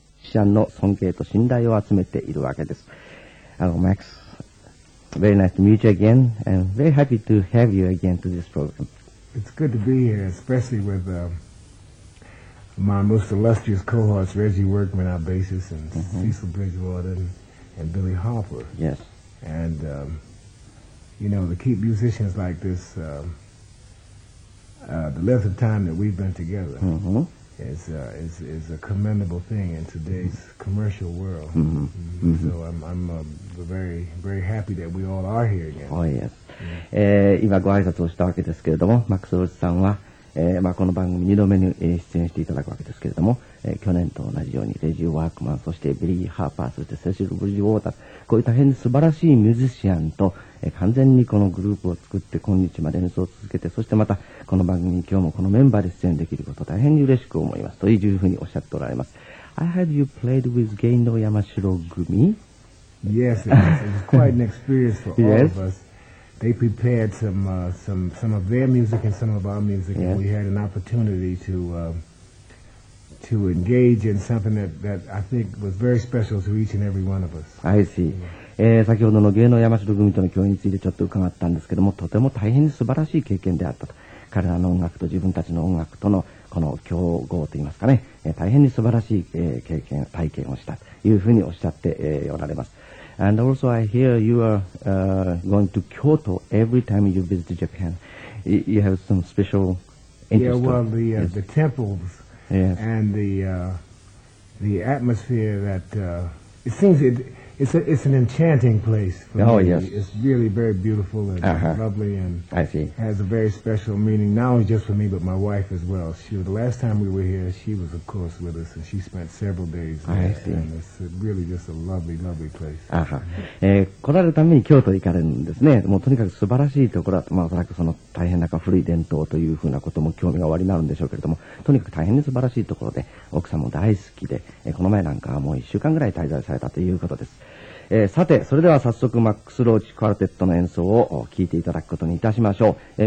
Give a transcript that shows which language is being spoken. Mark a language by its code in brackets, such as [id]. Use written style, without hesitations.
[ja] シャンの尊敬と信頼を集めているわけです。 [en] Hello, Max. Very nice to meet you again, and very happy to have you again to this program. It's good to be here, especially with my most illustrious cohorts, Reggie Workman, our bassist, and Cecil Bridgewater, and Billy Harper. Yes. And, you know, to keep musicians like this, the length of time that we've been together is a commendable thing in today's commercial world. So I'm very, very happy that we all are here again. Oh, yes. Yeah. [ja] 今ご挨拶をしたわけですけれども、マックス・ウォルツさんは、まあ、この番組2度目に出演していただくわけですけれども、去年と同じようにレジー・ワークマン、そしてビリー・ハーパー、そしてセシル・ブリー・ウォーター、こういう大変素晴らしいミュージシャンと、完全にこのグループを作って今日まで演奏を続けて、そしてまたこの番組に今日もこのメンバーで出演できることを大変に嬉しく思います、というふうにおっしゃっておられます。 [en] I heard you played with Gendo Yamashiro Gumi. Yes, it was quite an experience for all of us. They prepared some of their music and some of our music, and we had an opportunity to engage in something that I think was very special to each and every one of us. I see. [ja] 先ほどの芸能山城組との共演についてちょっと伺ったんですけども、とても大変に素晴らしい経験であったと。彼らの音楽と自分たちの音楽とのこの競合といいますかね、大変に素晴らしい経験、体験をしたというふうにおっしゃっておられます。 [en] And also I hear you are going to Kyoto every time you visit Japan. You have some special interest. Yeah, well, the temples and the atmosphere that it seems it's an enchanting place for me. Yes. It's really very beautiful and lovely, and I see. Has a very special meaning, not only just for me, but my wife as well. The last time we were here, she was, of course, with us, and she spent several days there. I see. And it's really just a lovely, lovely place. [ja] 来られるために京都行かれるんですね。もうとにかく素晴らしいところだと、まあ、おそらくその大変な古い伝統というふうなことも興味がおありになるんでしょうけれども、とにかく大変に素晴らしいところで、奥さんも大好きで、この前なんかはもう1週間ぐらい滞在されたということです。さて、それでは早速マックス・ローチ・クワルテットの演奏を聴いていただくことにいたしましょう。